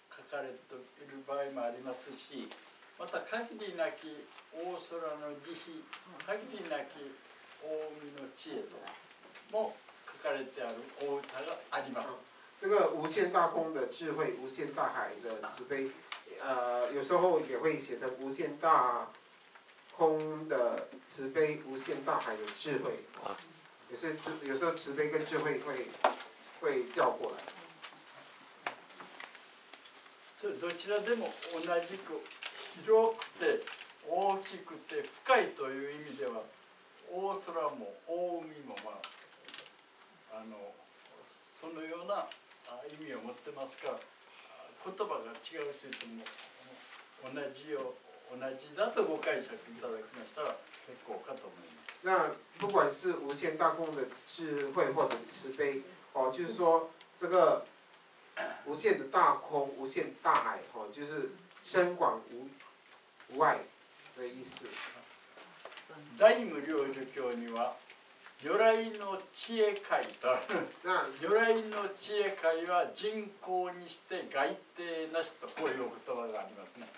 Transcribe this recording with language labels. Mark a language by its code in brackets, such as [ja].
[ja] 書かれている場合もありますしまた限りなき大空の慈悲限りなき大海の知恵とも書かれてある大歌があります。 [zh] 这个无限大空的智慧，无限大海的慈悲，有时候也会写成无限大空的慈悲，无限大海的智慧。有时候慈悲跟智慧会调过来。 [ja] 这どちらでも同じく広くて大きくて深いという意味では。大空も大海も、まあ、そのような意味を持ってますから言葉が違うといっても同じだとご解釈いただきましたら結構かと思います。 [zh] 那不管是无限大空的智慧或者慈悲，哦，就是说这个无限的大空、无限大海，哦，就是深广无碍的意思。 [ja] 大無量寿経には如来の智慧会とある如来の智慧会は人口にして外邸なしとこういう言葉がありますね。